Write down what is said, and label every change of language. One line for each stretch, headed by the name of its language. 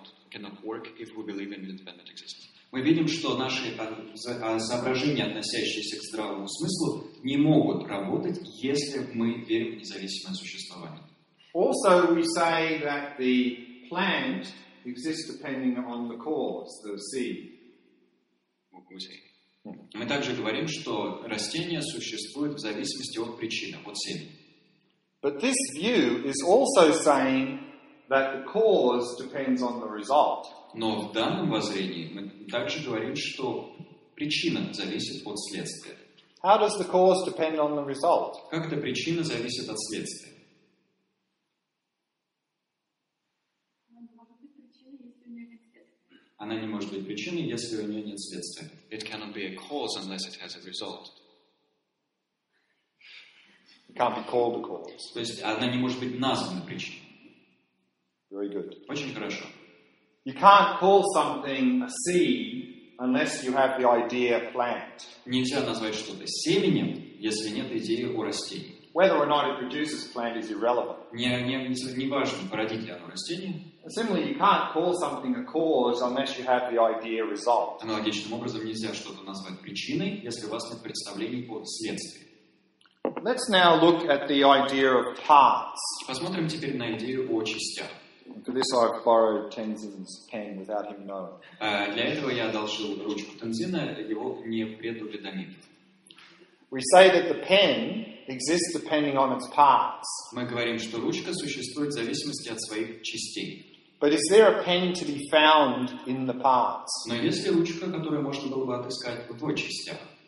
English: cannot work if we believe in independent existence.
Russian: Мы видим, что наши соображения, относящиеся к здравому смыслу, не могут работать, если мы верим в независимое существование.
English: Also, we say that the plant exists depending on the cause, the seed.
Russian: Мы также говорим, что растение существует в зависимости от причины, от семени.
English: But this view is also saying that the cause depends on the result.
Russian: Но в данном воззрении мы также говорим, что причина зависит от следствия.
English: How does the cause depend on the result?
Russian: Как эта причина зависит от следствия? Она не может быть причиной, если у нее нет следствия.
English: It cannot be a cause unless it has a result. It can't be called a cause.
Russian: То есть она не может быть названа причиной.
English: Very good.
Russian: Очень хорошо.
English: You can't call something a seed unless you have the idea plant.
Russian: Нельзя назвать что-то семенем, если нет идеи о растении.
English: Whether or not it produces plant is irrelevant.
Russian: Не важно, породит ли оно растение.
English: Similarly, you can't call something a cause unless you have the idea result.
Russian: Аналогичным образом нельзя что-то назвать причиной, если у вас нет представления о следствии.
English: Let's now look at the idea of parts.
Russian: Посмотрим теперь на идею о частях.
English: For this, I borrowed Tenzin's pen without him knowing.
Russian: Для этого я одолжил ручку Тензина, его не предупредили.
English: We say that the pen exists depending on its parts.
Russian: Мы говорим, что ручка существует в зависимости от своих частей.
English: But is there a pen to be found in the parts?
Russian: Но есть ли ручка, которую можно было бы отыскать в его частях?